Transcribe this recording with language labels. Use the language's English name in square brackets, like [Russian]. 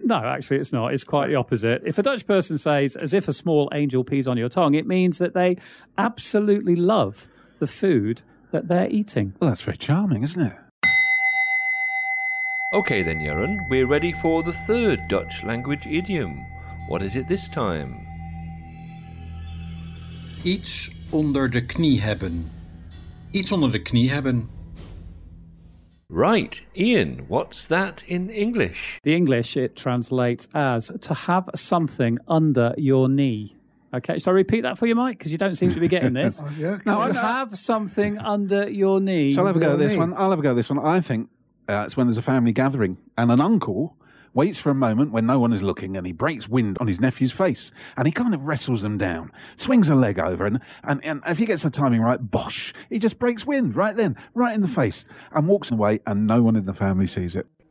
[English] No, actually, it's not. It's quite the opposite. If a Dutch person says, as if a small angel pees on your tongue, it means that they absolutely love the food that they're eating. Well, that's very charming, isn't it? Okay then, Jeroen, we're ready for the third Dutch language idiom. What is it this time? [Dutch] Iets onder de knie hebben. Iets onder de knie hebben. [English] Right, Ian, what's that in English? The English, it translates as to have something under your knee. Okay, should I repeat that for you, Mike? Because you don't seem to be getting this. Have something under your knee. Shall I have a go at this one? I'll have a go at this one. I think it's when there's a family gathering and an uncle waits for a moment when no one is looking and he breaks wind on his nephew's face and he kind of wrestles them down, swings a leg over and if he gets the timing right, bosh, he just breaks wind right then, right in the face and walks away and no one in the family sees it.